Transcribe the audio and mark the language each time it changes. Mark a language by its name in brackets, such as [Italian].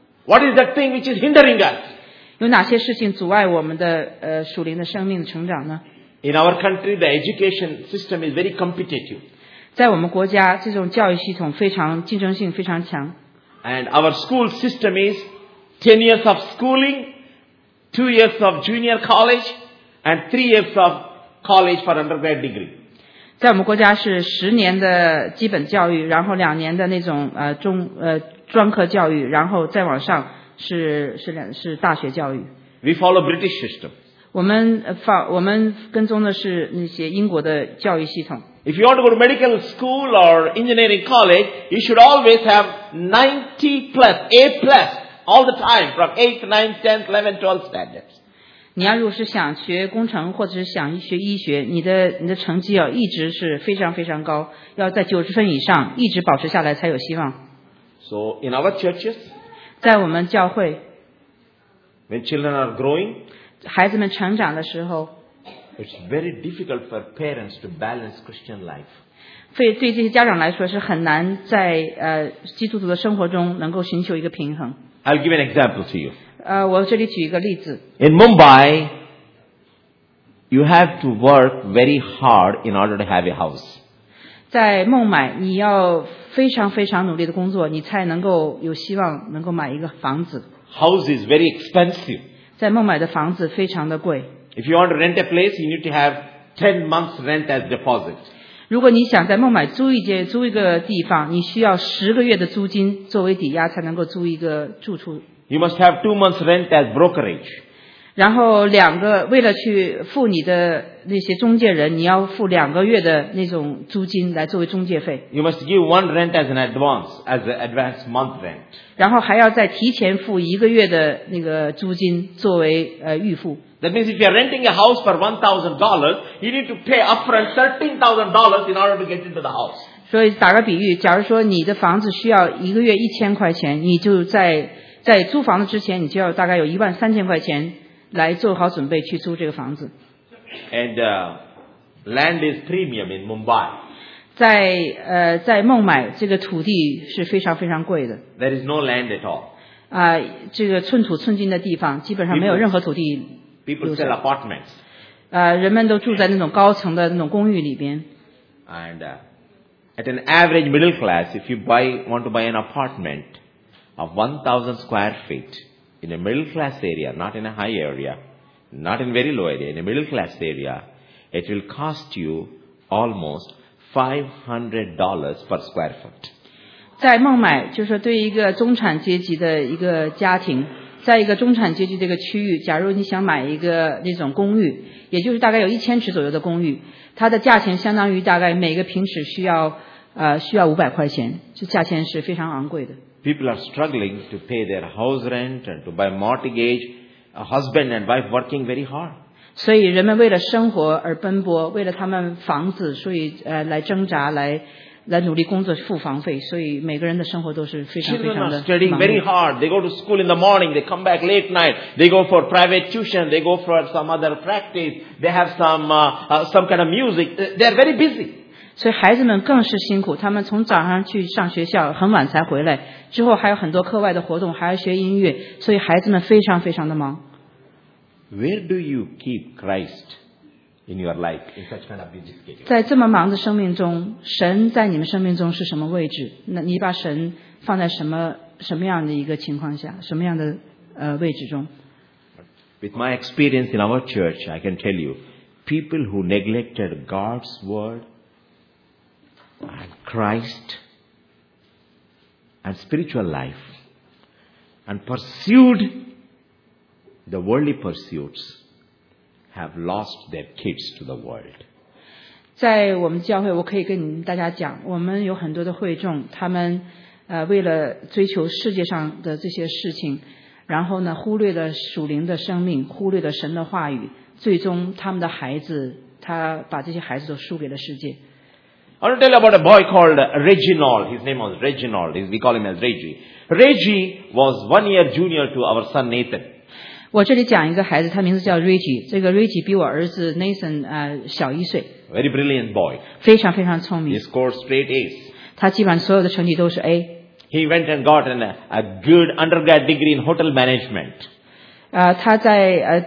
[English] What is the thing which is hindering us? [Chinese] 有哪些事情阻碍我们的属灵的生命的成长呢 [English] In our country the education system is very competitive [Chinese] 在我们国家这种教育系统非常竞争性非常强 [English] And our school system is 10 years of schooling 2 years of junior collegeAnd 3 years of college for undergrad degree. [Chinese] 在我们国家是十年的基本教育，然后两年的那种专科教育，然后再往上是大学教育。 [English] We follow British system. [Chinese] 我们跟踪的是那些英国的教育系统。 [English] If you want to go to medical school or engineering college, you should always have 90 plus, A plus, all the time from 8th, 9th, 10th, 11th, 12th standards. [Chinese] 你要如果是想学工程或者是想学医学你的成绩要一直是非常非常高要在90分以上一直保持下来才有希望 [English] So in our churches [Chinese] 在我们教会 [English] When children are growing [Chinese] 孩子们成长的时候 [English] It's very difficult for parents to balance Christian life [Chinese] 对这些家长来说是很难在基督徒的生活中能够寻求一个平衡 [English] I'll give an example to you [Chinese] we 这里举一个例子。 [English] In Mumbai, you have to work very hard in order to have a house. [Chinese] 在孟买你要非常非常努力的工作你才能够有希望能够买一个房子。 [English] House is very expensive. [Chinese] 在孟买的房子非常的贵。 [English] If you want to rent a place, you need to have 10 months rent as deposit. [Chinese] 如果你想在孟买租一个地方你需要十个月的租金作为抵押才能够租一个住处。 [English] You must have 2 months rent as brokerage. [Chinese] 然后两个为了去付你的那些中介人，你要付两个月的那种租金来作为中介费。 [English] You must give one rent as an advance, as an advance month rent. [Chinese] 然后还要再提前付一个月的那个租金作为预付。 [English] That means if you are renting a house for $1,000, you need to pay upfront $13,000 in order to get into the house. [Chinese] 所以打个比喻，假如说你的房子需要一个月1000块钱，你就在租房子之前，你就要大概有13000块钱。来做好准备去租这个房子。 [English] And land is premium in Mumbai. [Chinese] 在孟买这个土地是非常非常贵的。 [English] There is no land at all. [Chinese] 这个寸土寸金的地方基本上没有任何土地。 [English] People sell apartments. [Chinese] 人们都住在那种高层的那种公寓里边。 [English] And at an average middle class, if you want to buy an apartment of 1,000 square feet,in a middle class area, not in a high area, not in very low area, in a middle class area, it will cost you almost $500 per square foot. [Chinese] 在孟买，就是对一个中产阶级的一个家庭，在一个中产阶级这个区域，假如你想买一个那种公寓，也就是大概有1000尺左右的公寓，它的价钱相当于大概每个平尺需要500块钱，这价钱是非常昂贵的。 [English] People are struggling to pay their house rent and to buy mortgage. A husband and wife working very hard. [Chinese] 所以人们为了生活而奔波，为了他们房子，所以来挣扎，来努力工作付房费。所以每个人的生活都是非常非常的忙碌。 [English] Children are studying very hard. They go to school in the morning. They come back late night. They go for private tuition. They go for some other practice. They have some kind of music. They are very busy. [Chinese] 所以孩子们更是辛苦，他们从早上去上学校，很晚才回来，之后还有很多课外的活动，还要学音乐，所以孩子们非常非常的忙。 [English] Where do you keep Christ in your life in such kind of busy schedule? [Chinese] 在这么忙的生命中，神在你们生命中是什么位置？那你把神放在什么样的一个情况下，什么样的位置中 [English] ？With my experience in our church, I can tell you, people who neglected God's word. And Christ and spiritual life and pursued the worldly pursuits have lost their kids to the world. [Chinese] 在我们教会我可以跟大家讲，我们有很多的会众，他们为了追求世界上的这些事情，然后呢忽略了属灵的生命，忽略了神的话语，最终他们的孩子，他把这些孩子都输给了世界。 [English] I want to tell you about a boy called Reginald. His name was Reginald. We call him as Reggie. Reggie was 1 year junior to our son Nathan. [Chinese] 我这里讲一个孩子，他名字叫 Reggie. 这个 Reggie 比我儿子 Nathan 小一岁。 [English] Very brilliant boy. [Chinese] 非常非常聪明。 [English] He scored straight A's. [Chinese] 他基本上所有的成绩都是 A. [English] He went and got a good undergrad degree in hotel management.